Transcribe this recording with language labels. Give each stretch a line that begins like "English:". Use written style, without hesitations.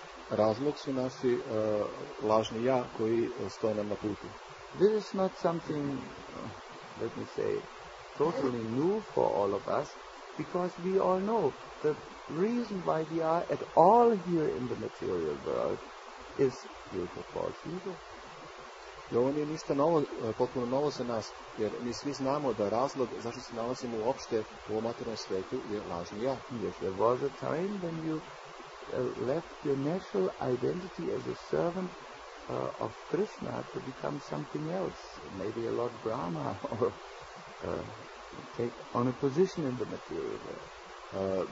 Serbian: Razlog su naši lažni ja koji stoje nam na putu.
English: This is not something, let me say, totally new for all of us, because we all know the reason why we are at all here in the material world is due to false ego.
Serbian: I ovo nije ništa novo, potpuno novo za nas, jer mi svi znamo da razlog zašto se nalazimo uopšte u ovom materijalnom svetu je lažni ja.
English: Yes, there was a time when you left your natural identity as a servant of Krishna to become something else, maybe a Lord Brahma, or take on a position in the material world.